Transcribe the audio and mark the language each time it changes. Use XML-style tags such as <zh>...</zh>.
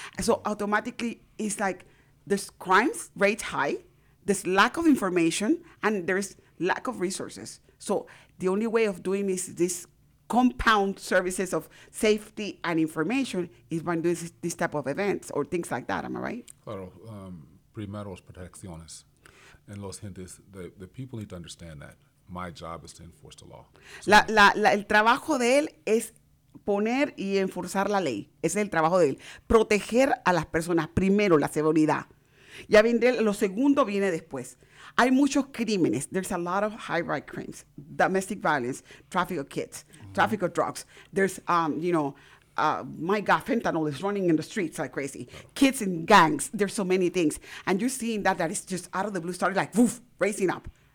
<en>So automatically it's like there's crimes rate high, there's lack of information, and there's lack of resources. So the only way of doing this, this compound services of safety and information is by doing this type of events or things like that, am I right?</en> <es>Claro, primero es protecciones.</es> <en>And</en> <es>los gentes,</es> <en>the people need to understand that. My job is to enforce the law.</en> <es>So el trabajo de él es poner y enforzar la ley. Ese es el trabajo de él. Proteger a las personas. Primero, la seguridad. Ya vendré, lo segundo viene después. Hay muchos crímenes.</es> <en>There's a lot of high-rise crimes. Domestic violence, traffic of kids, traffic of drugs. There's, my God, fentanyl is running in the streets like crazy. Kids in gangs. There's so many things. And you're seeing that is just out of the blue, started like, woof, raising up.</en>